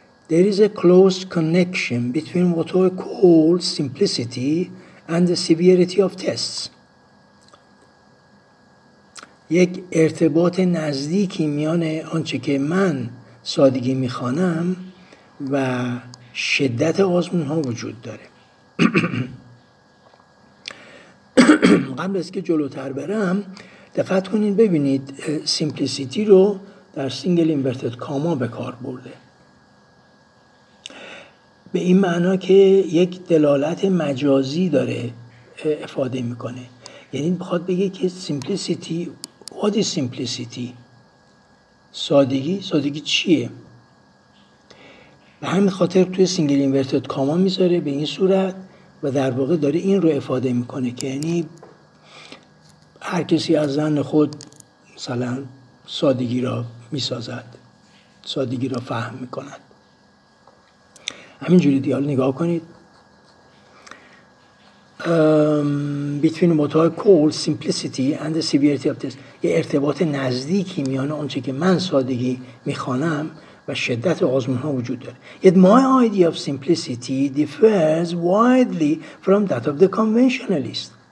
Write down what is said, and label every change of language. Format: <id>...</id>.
<en>There is a close connection between what I call simplicity and the severity of tests.</en> <fa>یک ارتباط نزدیکی میان آنچه که من سادگی میخوانم و شدت آزمون ها وجود داره. قبل از که جلوتر برم دقت کنین ببینید سیمپلیسیتی رو در سینگل اینورتد کاما به کار برده، به این معنا که یک دلالت مجازی داره افاده میکنه. یعنی بخواد بگه که سیمپلیسیتی،</fa> <en>what is simplicity؟</en> <fa>سادگی چیه؟ به همین خاطر توی سینگل اینورتد کاما میذاره به این صورت و در واقع داره این رو افاده میکنه که یعنی هر کسی از ذهن خود مثلا سادگی را میسازد، سادگی را فهم میکند. همین جوری دیال نگاه کنید.</fa> <en>Between what I call simplicity and the severity of this.</en> <fa>یه ارتباط نزدیکی میانه اونچه که من سادگی میخوانم و شدت آزمون ها وجود داره.</fa> <en>Yet my idea of simplicity differs widely from that of the conventionalist.</en>